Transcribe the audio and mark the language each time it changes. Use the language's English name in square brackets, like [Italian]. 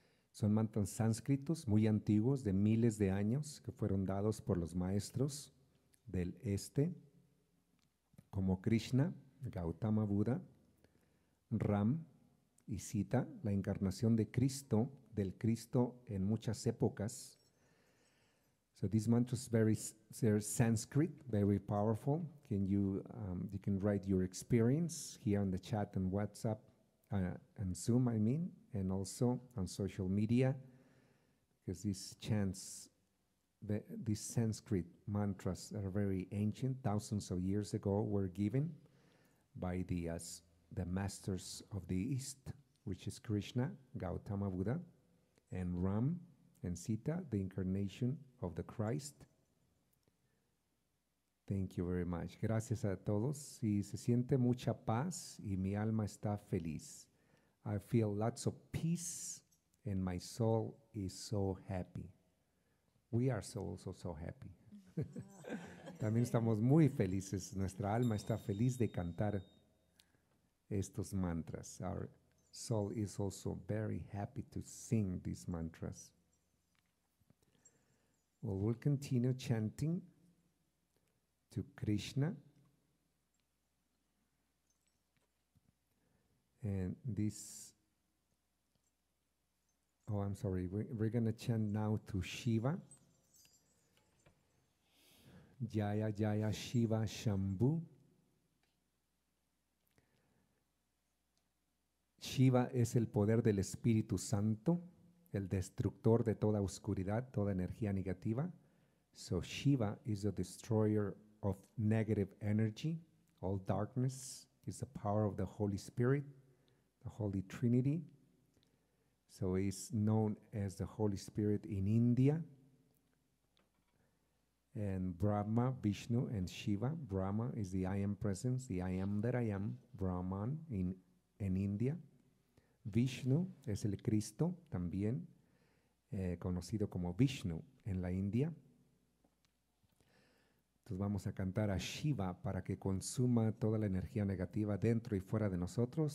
[Spanish] Son mantras sánscritos muy antiguos, de miles de años, que fueron dados por los maestros del este, como Krishna, Gautama Buda, Ram y Sita, la encarnación de Cristo, del Cristo en muchas épocas. [English] So these mantras they're Sanskrit, very powerful. Can you you can write your experience here on the chat and WhatsApp and Zoom, I mean, and also on social media, because these Sanskrit mantras that are very ancient, thousands of years ago, were given by the masters of the East, which is Krishna, Gautama Buddha, and Ram and Sita, the incarnation of the Christ. Thank you very much. [Spanish] Gracias a todos. Y se siente mucha paz y mi alma está feliz. [English] I feel lots of peace and my soul is so happy. We are so happy. [Spanish] También estamos muy felices. Nuestra alma está feliz de cantar estos mantras. [English] Our soul is also very happy to sing these mantras. Well, we'll continue chanting to Krishna. And this, we're going to chant now to Shiva. [Sanskrit] Jaya, Jaya, Shiva, Shambhu. [Spanish] Shiva es el poder del Espíritu Santo, el destructor de toda oscuridad, toda energía negativa. [English] So Shiva is the destroyer of negative energy. All darkness is the power of the Holy Spirit, the Holy Trinity. So he's known as the Holy Spirit in India. And Brahma, Vishnu, and Shiva. Brahma is the I Am Presence, the I Am that I Am, Brahman in India. [Spanish] Vishnu es el Cristo, también conocido como Vishnu en la India. Entonces vamos a cantar a Shiva para que consuma toda la energía negativa dentro y fuera de nosotros.